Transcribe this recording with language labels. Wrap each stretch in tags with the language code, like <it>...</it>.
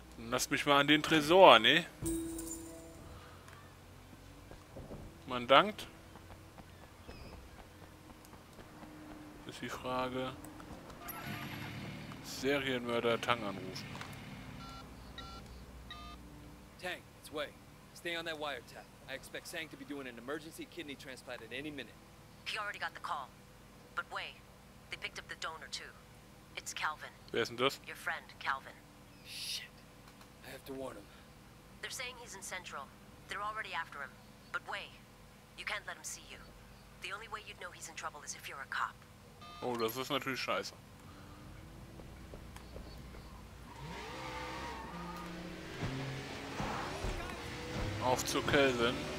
<de>Lass mich mal an den Tresor, ne? Man dankt. Ist die Frage. Serienmörder Tang anrufen.</de> <en>Tang, it's Wei. Stay on that wiretap. I expect Sang to be doing an emergency kidney transplant at any minute. He already got the call. But Wei, they picked up the donor too. It's Calvin.</en> <de>Wer ist denn das?</de> <en>Your friend, Calvin. Shit. I have to warn him. They're saying he's in Central. They're already after him. But Wei, you can't let him see you. The only way you'd know he's in trouble is if you're a cop.</en> <de>Oh, das ist natürlich scheiße. Auf zu Calvin.</de>